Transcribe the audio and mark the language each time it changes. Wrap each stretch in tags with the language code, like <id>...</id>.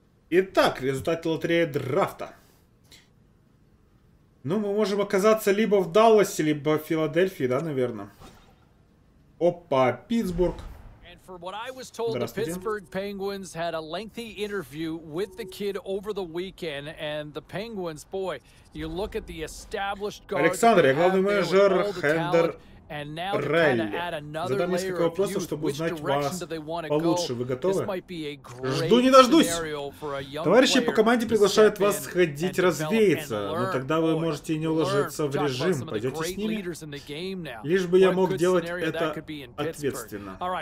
<ru>Итак, результат лотереи драфта. Ну, мы можем оказаться либо в Далласе, либо в Филадельфии, да, наверное. Опа, Питтсбург.</ru> <en>And from what I was told, the Pittsburgh Penguins had a lengthy interview with the kid over the weekend, and the Penguins, boy, you look at the established guard...</en> <ru>Александр, я главный менеджер, Хендер...</ru> <en>And now to kind of add another layer of you, which direction do they want to go? This might be a great scenario for a young player.</en> <ru>Товарищи по команде приглашают вас сходить развеяться, но тогда вы можете не уложиться в режим. Пойдете с ними? Лишь бы я мог делать это ответственно.</ru>